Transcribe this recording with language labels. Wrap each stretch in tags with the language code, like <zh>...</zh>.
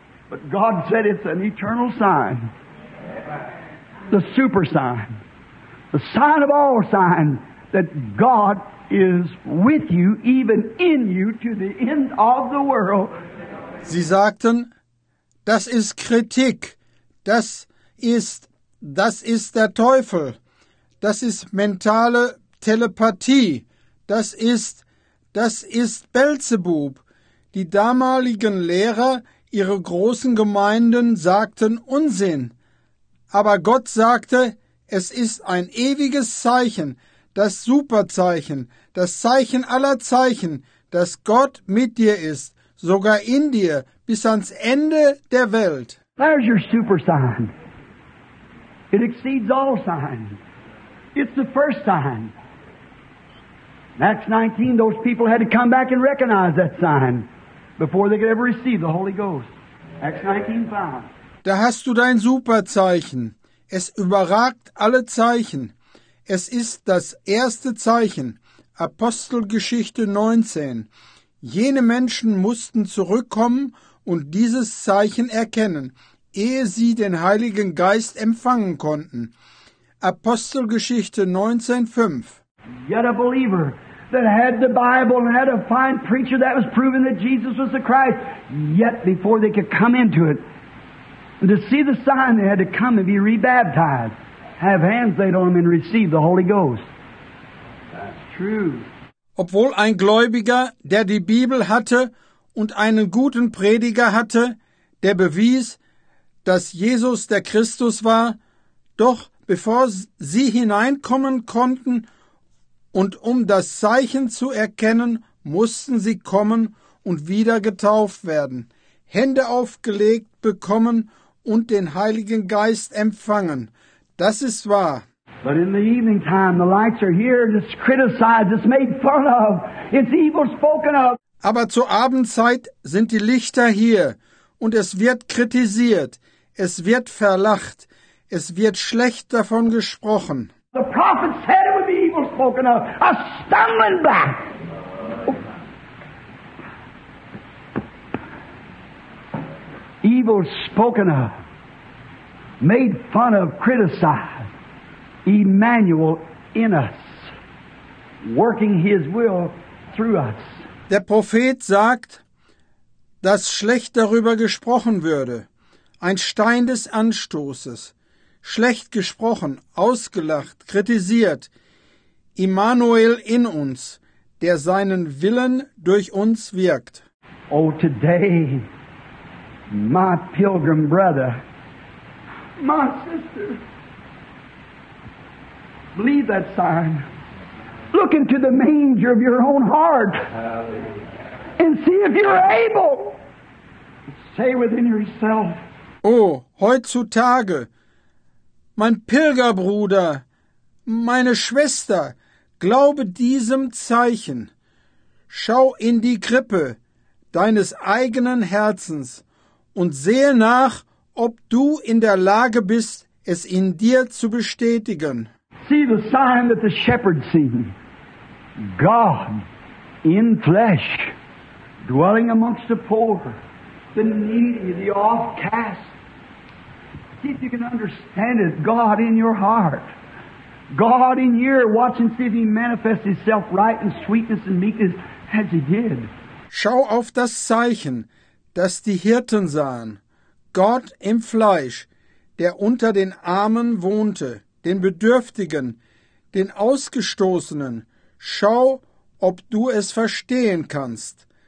<en>But God said it's an eternal sign, the super sign, the sign of all signs, that God is with you, even in you, to the end of the world.</en> <de>Sie sagten, das ist Kritik, das ist der Teufel, das ist mentale Telepathie, das ist Beelzebub. Die damaligen Lehrer, ihre großen Gemeinden sagten Unsinn. Aber Gott sagte, es ist ein ewiges Zeichen, das Superzeichen, das Zeichen aller Zeichen, dass Gott mit dir ist, sogar in dir, bis ans Ende der Welt.</de> <en>There's your super sign. It exceeds all signs. It's the first sign. Acts 19, those people had to come back and recognize that sign before they could ever receive the Holy Ghost. Acts 19:5.</en> <de>Da hast du dein Superzeichen. Es überragt alle Zeichen. Es ist das erste Zeichen. Apostelgeschichte 19. Jene Menschen mussten zurückkommen und dieses Zeichen erkennen, ehe sie den Heiligen Geist empfangen konnten. Apostelgeschichte 19:5.</de> <en>Yet a believer that had the Bible and had a fine preacher that was proving that Jesus was the Christ, yet before they could come into it, and to see the sign, they had to come and be rebaptized, have hands laid on them and receive the Holy Ghost. That's true.</en> <de>Obwohl ein Gläubiger, der die Bibel hatte und einen guten Prediger hatte, der bewies, dass Jesus der Christus war, doch bevor sie hineinkommen konnten und um das Zeichen zu erkennen, mussten sie kommen und wieder getauft werden, Hände aufgelegt bekommen und den Heiligen Geist empfangen. Das ist wahr.</de> <en>But in the evening time, the lights are here, and it's criticized, it's made fun of, it's evil spoken of.</en> <de>Aber zur Abendzeit sind die Lichter hier, und es wird kritisiert, es wird verlacht, es wird schlecht davon gesprochen.</de> <en>The prophet said it would be evil spoken of, a stumbling block. Evil spoken of, made fun of, criticized. Emmanuel in us, working his will through us.</en> <de>Der Prophet sagt, dass schlecht darüber gesprochen würde, ein Stein des Anstoßes, schlecht gesprochen, ausgelacht, kritisiert, Emmanuel in uns, der seinen Willen durch uns wirkt.</de> <en>Oh, today, my pilgrim brother, my sister, believe that sign. Look into the manger of your own heart and see if you're able. Say within yourself.</en> <de>Oh, heutzutage, mein Pilgerbruder, meine Schwester, glaube diesem Zeichen. Schau in die Krippe deines eigenen Herzens und sehe nach, ob du in der Lage bist, es in dir zu bestätigen.</de> <en>See the sign that the shepherds see. God in flesh, dwelling amongst the poor, the needy, the outcast. See if you can understand it. God in your heart. God in here, watch and see if he manifests himself right in sweetness and meekness as he did.</en> <de>Schau auf das Zeichen, das die Hirten sahen. Gott im Fleisch, der unter den Armen wohnte, den Bedürftigen, den Ausgestoßenen. Schau, ob du es verstehen kannst.</de>